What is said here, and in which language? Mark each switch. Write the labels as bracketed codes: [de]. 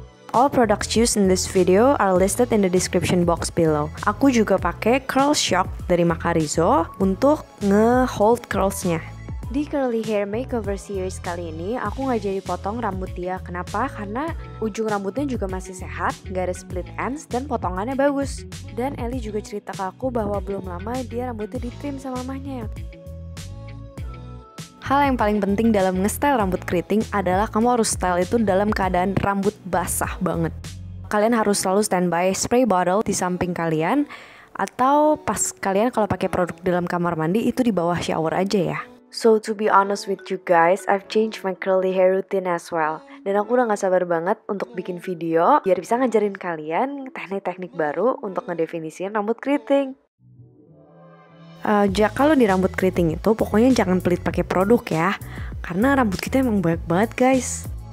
[en] All products used in this video are listed in the description box below. [id] Aku juga pakai Curl Shock dari Macarizo untuk nge-hold curls-nya. Di Curly Hair Makeover Series kali ini, aku nggak jadi potong rambut dia. Kenapa? Karena ujung rambutnya juga masih sehat, nggak ada split ends, dan potongannya bagus. Dan Ellie juga cerita ke aku bahwa belum lama dia rambutnya di-trim sama mamanya. Hal yang paling penting dalam nge-style rambut keriting adalah kamu harus style itu dalam keadaan rambut basah banget. Kalian harus selalu standby spray bottle di samping kalian atau pas kalian kalau pakai produk dalam kamar mandi itu di bawah shower aja ya. [en] So to be honest with you guys, I've changed my curly hair routine as well. [id] Dan aku udah gak sabar banget untuk bikin video biar bisa ngajarin kalian teknik-teknik baru untuk ngedefinisikan rambut keriting. Kalau di rambut keriting itu pokoknya jangan pelit pakai produk ya, karena rambut kita emang banyak banget guys.